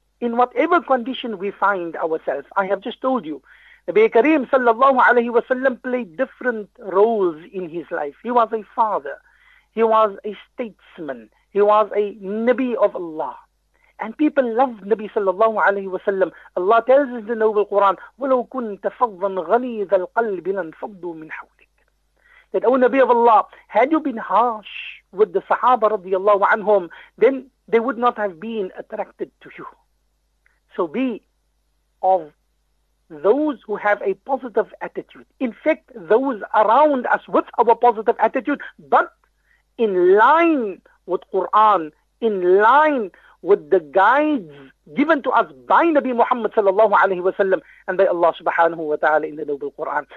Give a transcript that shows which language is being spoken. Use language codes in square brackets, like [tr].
[en] In whatever condition we find ourselves, I have just told you, Nabi Kareem sallallahu alayhi wa sallam played different roles in his life. He was a father, he was a statesman, he was a Nabi of Allah. And people love Nabi sallallahu alayhi wa sallam. Allah tells us in the Noble Quran, [ar] وَلَوْ كُنْتَ فَضًّا غَلِيظَ الْقَلْبِ لَنْفَضُّوا مِنْ حَوْلِكَ. [en] That, O Nabi of Allah, had you been harsh with the Sahaba radiallahu anhum, then they would not have been attracted to you. So be of those who have a positive attitude. Infect those around us with our positive attitude, but in line with Quran, in line with the guides given to us by Nabi Muhammad sallallahu alayhi wa sallam and by Allah subhanahu wa ta'ala in the Noble Quran.